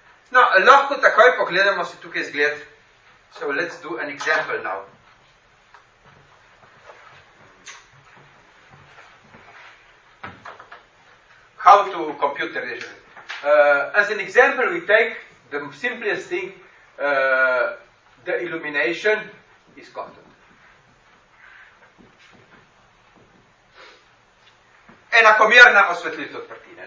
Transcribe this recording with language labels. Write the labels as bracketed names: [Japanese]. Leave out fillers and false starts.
[Slovenian] No, lahko takoj pogledamo se tukaj zgled. [English] So let's do an example now. How to compute the radiation. As an example, we take the simplest thing, the illumination is constant. [Slovenian] Enakomerna osvetlitev odprtine.